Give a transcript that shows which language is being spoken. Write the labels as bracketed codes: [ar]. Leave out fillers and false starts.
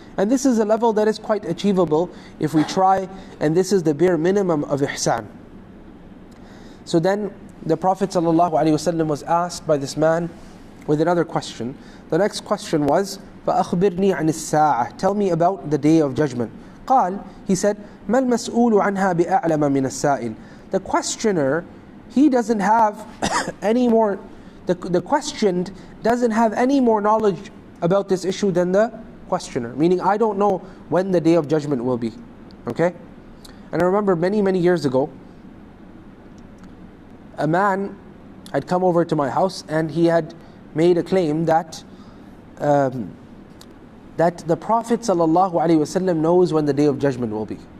[en] And this is a level that is quite achievable if we try, and this is the bare minimum of ihsan. So then the Prophet ﷺ was asked by this man with another question. The next question was, [ar] فَأَخْبِرْنِي عَنِ السَّاعَةِ. [en] Tell me about the Day of Judgment. [ar] قال, [en] he said, [ar] مَا الْمَسْؤُولُ عَنْهَا بِأَعْلَمَ مِنَ السَّائِلِ. [en] The questioner, he doesn't have any more, the questioned doesn't have any more knowledge about this issue than the questioner, meaning I don't know when the Day of Judgment will be. Okay? And I remember many years ago, a man had come over to my house and he had made a claim that that the Prophet sallallahu alaihi wasallam knows when the Day of Judgment will be.